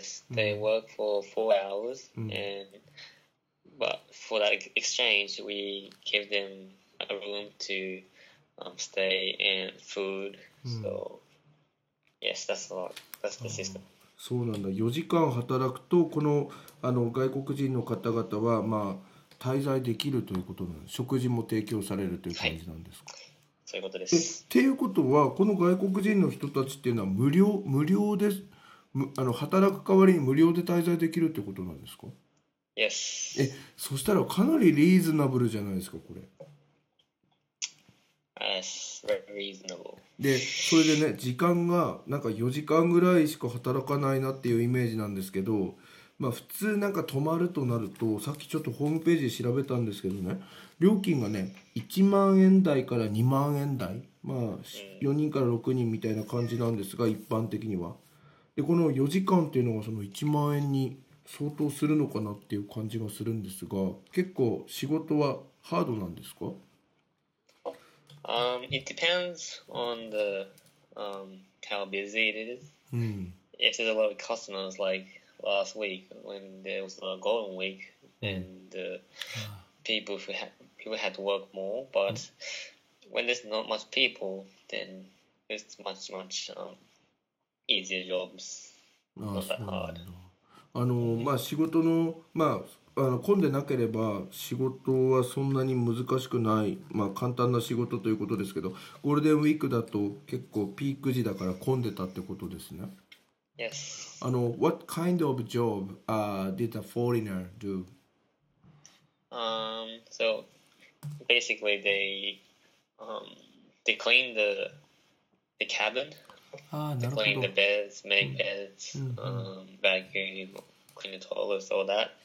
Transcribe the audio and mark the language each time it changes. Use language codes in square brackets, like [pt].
[en] They work for 4 hours and but for that exchange we give them a room to stay and food. So yes, that's a lot. That's the system. [ja] そうなんだ。 4時間働くとこのあの外国人の方々は、まあ、滞在できるということなんです。食事も提供されるという感じなんですか。はい、そういうことです。ということはこの外国人の人たちっていうのは無料です。あの働く代わりに無料で滞在できるということなんですか。 [en] Yes. [ja] え、そしたらかなりリーズナブルじゃないですか、これ。 [en] Yes, very reasonable. [ja] で、それでね、時間がなんか4時間ぐらいしか働かないなっていうイメージなんですけど、まあ普通なんか泊まるとなると、さっきちょっとホームページで調べたんですけどね、料金がね、1万円台から2万円台、まあ4人から6人みたいな感じなんですが、一般的には。で、この4時間っていうのがその1万円に相当するのかなっていう感じがするんですが、結構仕事はハードなんですか？ [en] It depends on the, how busy it is. If there's a lot of customers, like last week when there was a golden week, then the people had to work more, but when there's not much people, then it's much, much, easier jobs. Not that hard. [ja] まあ、仕事の、まあ、混んでなければ仕事はそんなに難しくない、まあ、簡単な仕事ということですけど、ゴールデンウィークだと結構ピーク時だから混んでたってことですね。 [en] Yes. What kind of job, did the foreigner do? So basically they clean the cabin. To clean the beds, make beds, vacuum, clean the toilets, all that.